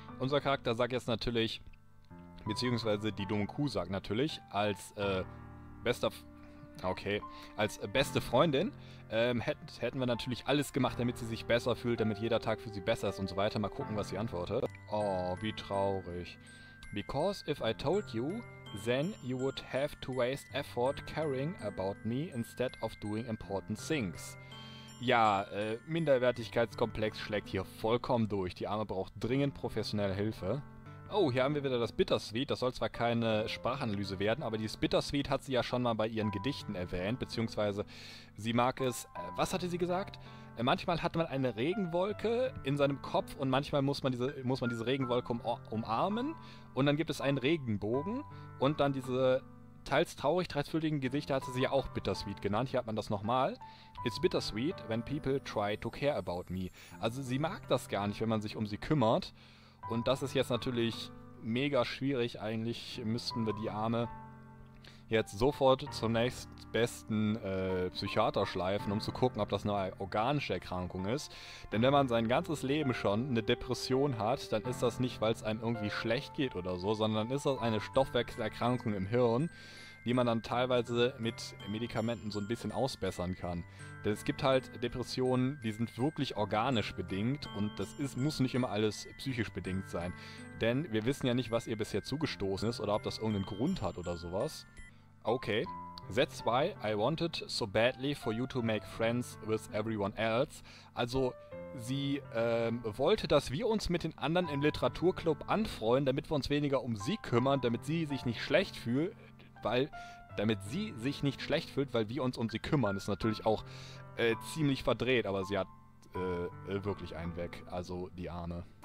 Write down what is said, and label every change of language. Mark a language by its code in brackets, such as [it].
[de] Unser Charakter sagt jetzt natürlich, beziehungsweise die dumme Kuh sagt natürlich, als beste Freundin hätten wir natürlich alles gemacht, damit sie sich besser fühlt, damit jeder Tag für sie besser ist und so weiter. Mal gucken, was sie antwortet. Oh, wie traurig. [en] Because if I told you, then you would have to waste effort caring about me instead of doing important things. [de] Ja, Minderwertigkeitskomplex schlägt hier vollkommen durch. Die Arme braucht dringend professionelle Hilfe. Oh, hier haben wir wieder das Bittersweet. Das soll zwar keine Sprachanalyse werden, aber dieses Bittersweet hat sie ja schon mal bei ihren Gedichten erwähnt, beziehungsweise sie mag es, was hatte sie gesagt? Manchmal hat man eine Regenwolke in seinem Kopf und manchmal muss man diese Regenwolke umarmen und dann gibt es einen Regenbogen und dann diese teils traurig, dreifüllten Gesichter hatte sie ja auch Bittersweet genannt. Hier hat man das nochmal. [en] It's bittersweet when people try to care about me. [de] Also sie mag das gar nicht, wenn man sich um sie kümmert. Und das ist jetzt natürlich mega schwierig. Eigentlich müssten wir die Arme jetzt sofort zum nächstbesten Psychiater schleifen, um zu gucken, ob das eine organische Erkrankung ist. Denn wenn man sein ganzes Leben schon eine Depression hat, dann ist das nicht, weil es einem irgendwie schlecht geht oder so, sondern dann ist das eine Stoffwechselerkrankung im Hirn, die man dann teilweise mit Medikamenten so ein bisschen ausbessern kann. Denn es gibt halt Depressionen, die sind wirklich organisch bedingt und das ist, muss nicht immer alles psychisch bedingt sein. Denn wir wissen ja nicht, was ihr bisher zugestoßen ist oder ob das irgendeinen Grund hat oder sowas. [en] Okay, that's why I wanted so badly for you to make friends with everyone else. [de] Also, sie wollte, dass wir uns mit den anderen im Literaturclub anfreuen, damit wir uns weniger um sie kümmern, damit sie sich nicht schlecht fühlt. Weil wir uns um sie kümmern, ist natürlich auch ziemlich verdreht, aber sie hat wirklich einen weg, also die Arme.